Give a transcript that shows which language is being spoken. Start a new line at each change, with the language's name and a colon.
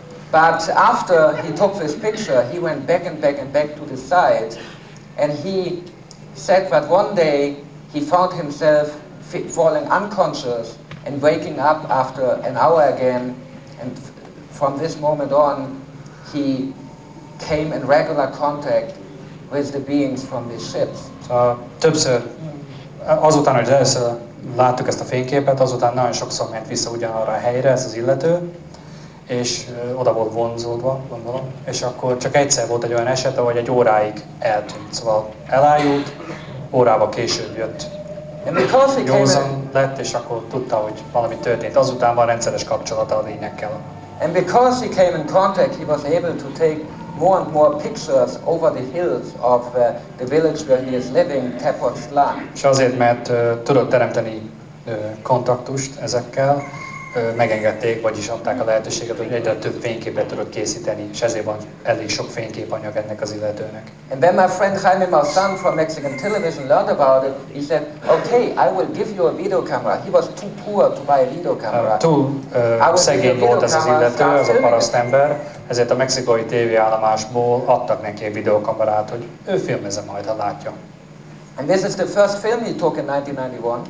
English: But after he took this picture, he went back and back and back to the site, and he said that one day he found himself falling unconscious and waking up after an hour again, and from this moment on he came in regular contact with the beings from these ships.
Hungarian: Többször, azután, hogy először láttuk ezt a fényképet, azután nagyon sokszor ment vissza ugyanarra a helyre ez az illető, és oda volt vonzódva, gondolom, és akkor csak egyszer volt egy olyan eset, ahogy egy óráig eltűnt. Szóval elájult, órába később jött. Józan lett, és akkor tudta, hogy valami történt. Azután van rendszeres kapcsolata a lényekkel.
English: And because he came in contact, he was able to take more and more pictures over the hills of the village where he is living, Tepoztlán.
Hungarian: És azért, mert tudott teremteni kontaktust ezekkel, megengedték, vagyis adták a lehetőséget, hogy egyre több fényképet tudott készíteni, és ezért van elég sok fényképanyag ennek az illetőnek.
English: And then my friend Jaime Marsan from Mexican television learned about it. He said, okay, I will give you a video camera. He was too poor to buy a video camera.
Hungarian: Szegény volt ez az illető, ez a parasztember, ezért a mexikai tévéállomásból adtak neki egy videokamerát, hogy ő filmezze majd, ha látja.
English: And this is the first film he took in 1991.